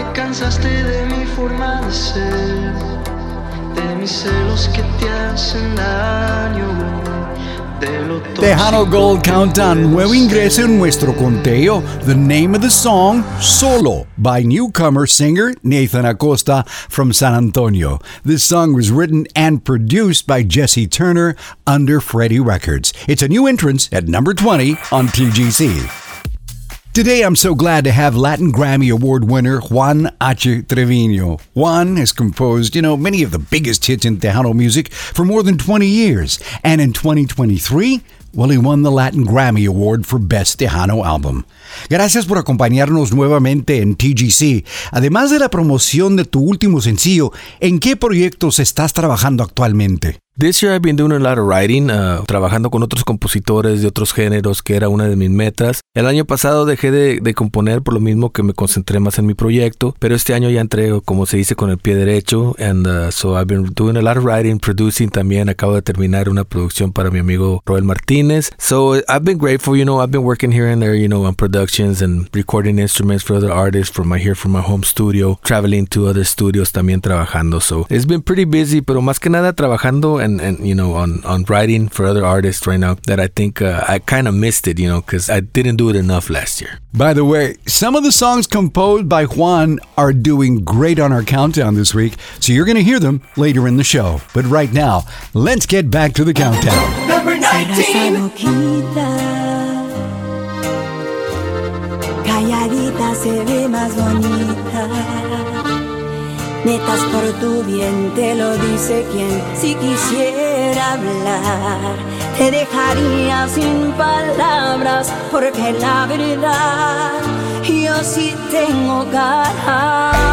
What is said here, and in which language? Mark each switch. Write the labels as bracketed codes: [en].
[es] cansaste de mi forma de ser, de mis celos que te hacen daño. Tejano Gold Countdown, nuevo ingreso en nuestro conteo. [en] The name of the song, Solo, by newcomer singer Nathan Acosta from San Antonio. This song was written and produced by Jesse Turner under Freddy Records. It's a new entrance at number 20 on TGC. Today, I'm so glad to have Latin Grammy Award winner Juan H. Trevino. Juan has composed, you know, many of the biggest hits in Tejano music for more than 20 years. And in 2023, well, he won the Latin Grammy Award for Best Tejano Album. [es] Gracias por acompañarnos nuevamente en TGC. Además de la promoción de tu último sencillo, ¿en qué proyectos estás trabajando actualmente? [en] This year I've been doing a lot of writing, [es] trabajando con otros compositores de otros géneros, que era una de mis metas. El año pasado dejé de componer por lo mismo que me concentré más en mi proyecto, pero este año ya entré, como se dice, con el pie derecho. [en] And so I've been doing a lot of writing, producing [es] también. Acabo de terminar una producción para mi amigo Roel Martínez. [en] So I've been grateful, you know, I've been working here and there, you know, on productions and recording instruments for other artists from here from my home studio, traveling to other studios [es] también trabajando. [en] So it's been pretty busy, [es] pero más que nada trabajando [en] and you know, on writing for other artists right now that I think I kind of missed it, you know, because I didn't do it enough last year. By the way, some of the songs composed by Juan are doing great on our countdown this week, so you're going to hear them later in the show. But right now, let's get back to the countdown. Number 19! [es] Boquita, calladita se ve más bonita. Metas por tu bien, te lo dice quien. Si quisiera hablar, te dejaría sin palabras, porque la verdad, yo sí tengo cara.